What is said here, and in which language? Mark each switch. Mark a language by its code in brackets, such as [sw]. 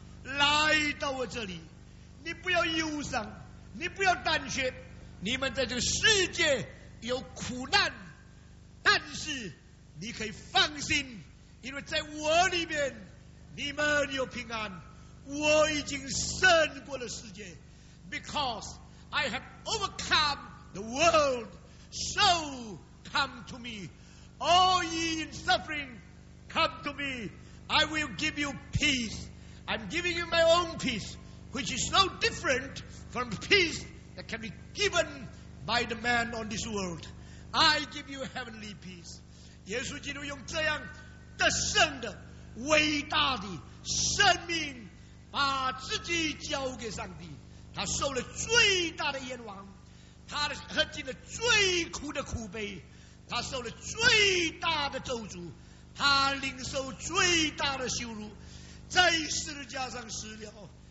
[zh] 来到我这里，你不要忧伤，你不要胆怯，你们在这个世界有苦难，但是你可以放心，因为在我里面你们有平安，我已经胜过了世界。 [en] Because I have overcome the world, so come to me, all ye in suffering, come to me, I will give you peace. I'm giving you my own peace, which is so different from peace that can be given by the man on this world. I give you heavenly peace. [zh] 耶稣基督用这样得胜的伟大的生命把自己交给上帝，他受了最大的冤枉，他喝尽了最苦的苦杯，他受了最大的咒诅，他领受最大的羞辱，在十字架上死了。